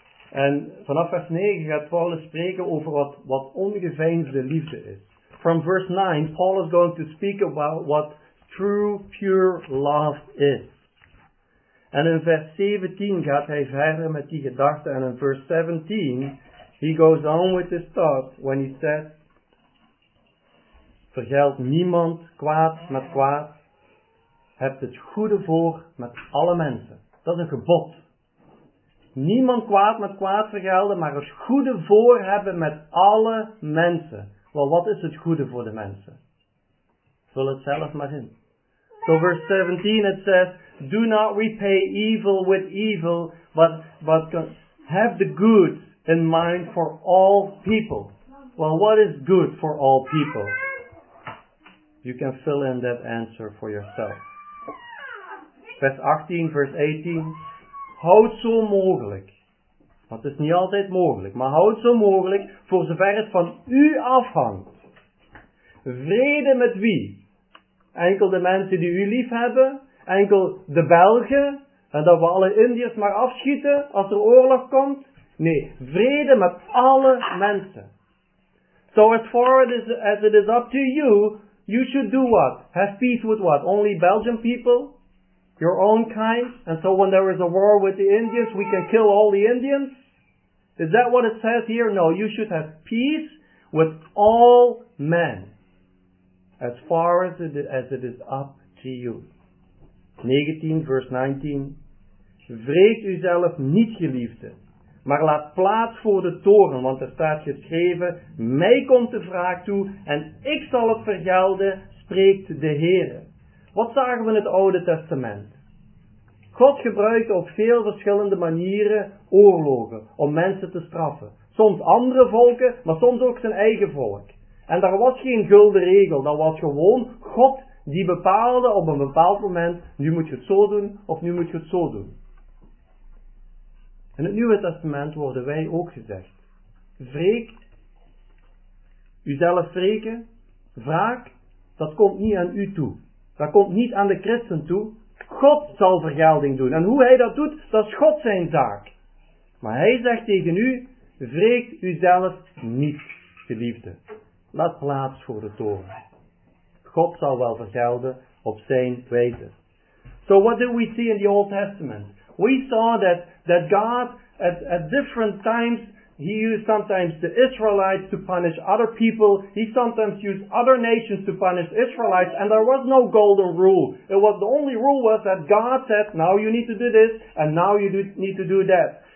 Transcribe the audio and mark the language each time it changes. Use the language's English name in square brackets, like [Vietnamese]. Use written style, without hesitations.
[Dutch] En vanaf vers 9 gaat Paulus spreken over wat ongeveinsde liefde is. [English] From verse 9, Paul is going to speak about what true, pure love is. And in verse 17, [Dutch] gaat hij verder met die gedachte. [English] And in verse 17, he goes on with his thought when he said, [Dutch] vergeld niemand kwaad met kwaad. Heb het goede voor met alle mensen. Dat is een gebod. Niemand kwaad met kwaad vergelden, maar het goede voor hebben met alle mensen. Well, wat is het goede voor de mensen? Vul het zelf maar in. [English] So verse 17 it says, do not repay evil with evil, but have the good in mind for all people. Well, what is good for all people? You can fill in that answer for yourself. [Dutch] Vers 18, verse 18, houd zo mogelijk. Want het is niet altijd mogelijk, maar houd zo mogelijk, voor zover het van u afhangt, vrede met wie? Enkel de mensen die u lief hebben, enkel de Belgen, en dat we alle Indiërs maar afschieten als er oorlog komt? Nee, vrede met alle mensen. [English] So as far as it is up to you, you should do what? Have peace with what? Only Belgian people? Your own kind, and so when there is a war with the Indians, we can kill all the Indians? Is that what it says here? No, you should have peace with all men as far as it is up to you. 19, verse 19. [Dutch] Wreek u zelf niet, geliefde, maar laat plaats voor de toren, want er staat geschreven, mij komt de wraak toe en ik zal het vergelden, spreekt de Heer. Wat zagen we in het Oude Testament? God gebruikte op veel verschillende manieren oorlogen om mensen te straffen. Soms andere volken, maar soms ook zijn eigen volk. En daar was geen gulden regel, dat was gewoon God die bepaalde op een bepaald moment, nu moet je het zo doen of nu moet je het zo doen. In het Nieuwe Testament worden wij ook gezegd, wreek, uzelf wreken, wraak, dat komt niet aan u toe. Dat komt niet aan de christen toe. God zal vergelding doen. En hoe hij dat doet, dat is God zijn zaak. Maar hij zegt tegen u, wreek uzelf niet, geliefde. Laat plaats voor de toren. God zal wel vergelden op zijn wijze. [English] So what do we see in the Old Testament? We saw that God, at different times, he used sometimes the Israelites to punish other people. He sometimes used other nations to punish Israelites. And there was no golden rule. It was the only rule was that God said, now you need to do this, and now you need to do that.